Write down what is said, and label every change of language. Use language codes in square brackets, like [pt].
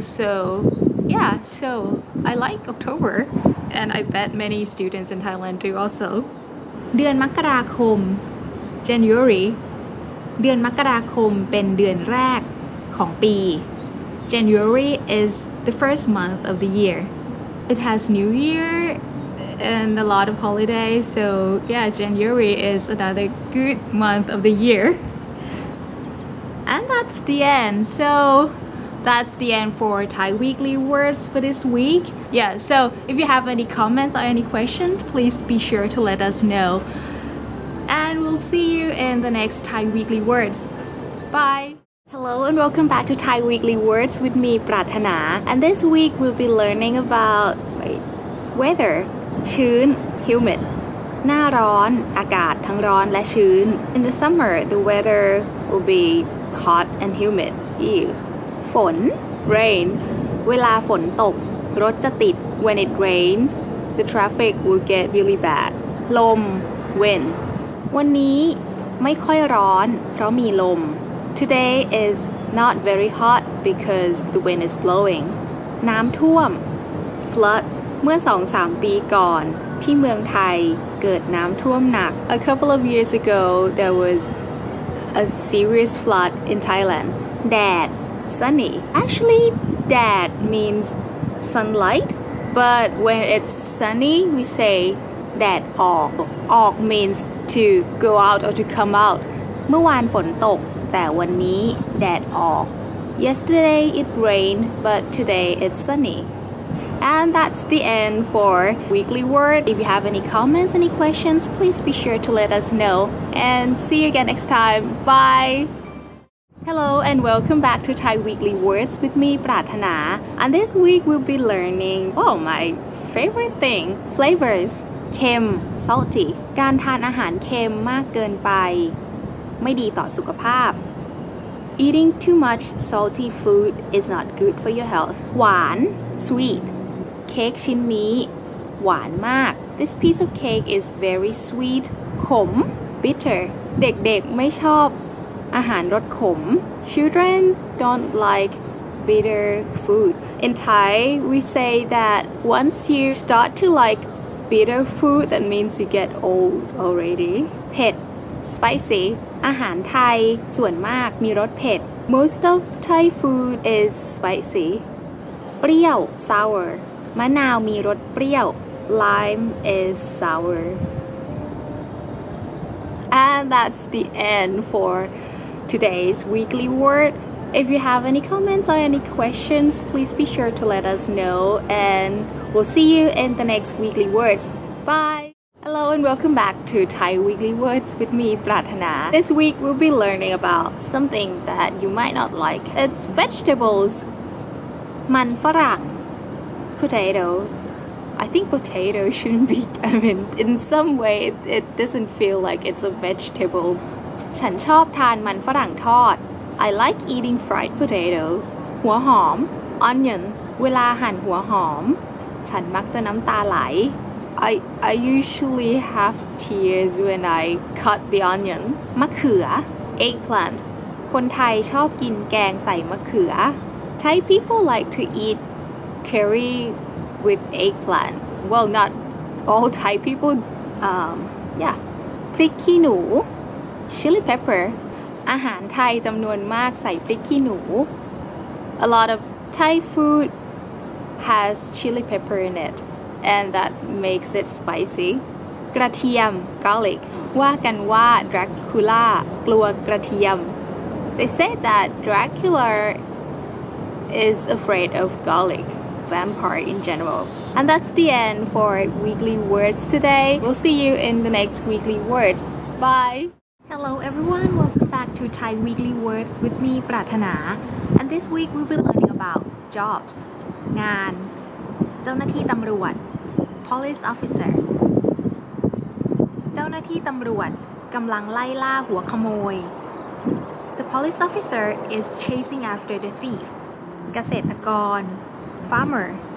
[en] So, yeah, so I like October. And I bet many students in Thailand do also. [th] เดือนมกราคม [en] January. [th] เดือนมกราคมเป็นเดือนแรกของปี [en] January is the first month of the year. It has New Year and a lot of holidays, so yeah, January is another good month of the year. And that's the end. So that's the end for Thai Weekly Words for this week. Yeah, so if you have any comments or any questions, please be sure to let us know. And we'll see you in the next Thai Weekly Words. Bye! Hello and welcome back to Thai Weekly Words with me, Prathana. And this week we'll be learning about weather, chun, humid. [th] หน้าร้อนอากาศทั้งร้อนและชื้น [en] In the summer, the weather will be hot and humid. Ew. ฝน rain. [th] เวลาฝนตกรถจะติด [en] When it rains, the traffic will get really bad. ลม wind. [th] วันนี้ไม่ค่อยร้อนเพราะมีลม [en] Today is not very hot because the wind is blowing. น้ำท่วม flood. [th] เมื่อ 2-3 ปีก่อนที่เมืองไทยเกิดน้ำท่วมหนัก [en] A couple of years ago, there was a serious flood in Thailand. Dad, sunny. Actually, dad means sunlight, but when it's sunny, we say dad ออก. ออก means to go out or to come out. [th] เมื่อวานฝนตกแต่วันนี้แดดออก [en] Yesterday it rained, but today it's sunny. And that's the end for Weekly Word. If you have any comments, any questions, please be sure to let us know. And see you again next time. Bye! Hello and welcome back to Thai Weekly Words with me, Prathana. And this week we'll be learning, oh, my favorite thing, flavors. Kem, salty. [th] การทานอาหารเค็มมากเกินไปไม่ดีต่อสุขภาพ [en] Eating too much salty food is not good for your health. หวาน sweet. [th] เค้กชิ้นนี้หวานมาก [en] This piece of cake is very sweet ขม bitter [th] เด็กๆไม่ชอบ อาหารรสขม [en] Children don't like bitter food In Thai, we say that once you start to like bitter food, that means you get old already เผ็ด spicy [th] อาหารไทยส่วนมากมีรสเผ็ด [en] Most of Thai food is spicy เปรี้ยว sour [th] มะนาวมีรสเปรี้ยว [en] Lime is sour. And that's the end for today's weekly word. If you have any comments or any questions, please be sure to let us know. And we'll see you in the next weekly words. Bye! Hello and welcome back to Thai Weekly Words with me, Prathana. This week we'll be learning about something that you might not like. It's vegetables. มันฝรั่งPotato. I think potato shouldn't be, I mean, in some way it doesn't feel like it's a vegetable. [th] ฉันชอบทานมันฝรั่งทอด. [en] I like eating fried potatoes. หัวหอม. Onion. [th] เวลาหั่นหัวหอม. ฉันมักจะน้ำตาไหล. [en] I usually have tears when I cut the onion. มะเขือ. Eggplant. [th] คนไทยชอบกินแกงใส่มะเขือ. [en] Thai people like to eatcurry with eggplant. Well, not all Thai people. Yeah. พริกขี้หนู chili pepper. [th] อาหารไทยจำนวนมากใส่พริกขี้หนู [en] A lot of Thai food has chili pepper in it, and that makes it spicy. กระเทียม garlic. [th] ว่ากันว่า Dracula กลัวกระเทียม [en] They say that Dracula is afraid of garlic. Vampire in general. And that's the end for Weekly Words today. We'll see you in the next Weekly Words. Bye! Hello everyone, welcome back to Thai Weekly Words with me, Prathana. And this week we'll be learning about jobs. งาน เจ้าหน้าที่ตำรวจ Police officer. [th] เจ้าหน้าที่ตำรวจกำลังไล่ล่าหัวขโมย [en] The police officer is chasing after the thief. เกษตรกรFarmer.